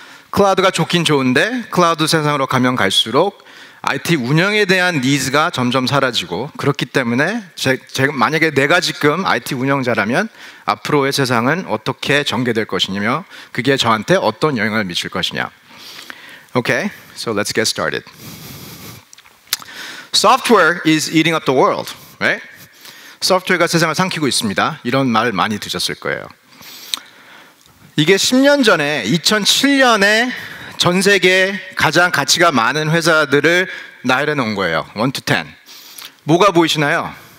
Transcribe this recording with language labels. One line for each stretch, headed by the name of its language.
Korean: 클라우드가 좋긴 좋은데 클라우드 세상으로 가면 갈수록 IT 운영에 대한 니즈가 점점 사라지고 그렇기 때문에 만약에 내가 지금 IT 운영자라면 앞으로의 세상은 어떻게 전개될 것이냐며 그게 저한테 어떤 영향을 미칠 것이냐.
English: Okay, so let's get started. Software is eating up the world, right?
Korean: 소프트웨어가 세상을 삼키고 있습니다. 이런 말 많이 드셨을 거예요. 이게 10년 전에 2007년에 전 세계 가장 가치가 많은 회사들을 나열해 놓은 거예요.
English: 1 to 10.
Korean: 뭐가 보이시나요?